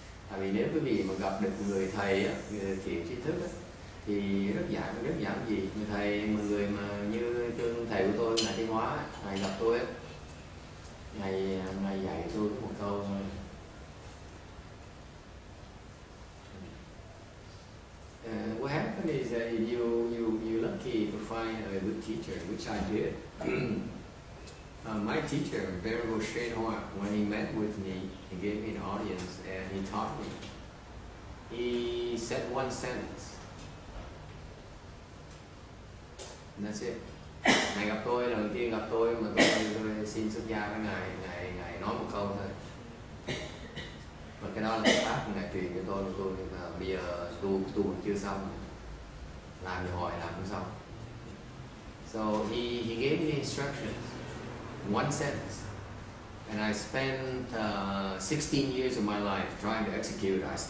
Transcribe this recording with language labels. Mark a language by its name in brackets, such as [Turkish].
[Vietnamese] Tại vì nếu quý vị mà gặp được người thầy thiện trí thức á, thì rất giảm gì người thầy, một người mà như tương thầy của tôi là Thiên Hóa, ngày gặp tôi ấy, ngày dạy tôi một câu thôi, [English] what happened is that you lucky to find a good teacher, which I did. My teacher, Venerable Shen Hua, when he met with me, he gave me an audience and he taught me. He said one sentence. That's it. [Vietnamese] Ngài gặp tôi lần đầu tiên, gặp tôi mà tôi xin xuất gia với ngài nói một câu thôi. Và cái đó là pháp ngài truyền cho tôi, nhưng mà bây giờ tu chưa xong, làm thì hỏi làm cũng xong. [English] So he gave me the instructions, one sentence, and I spent 16 years of my life trying to execute.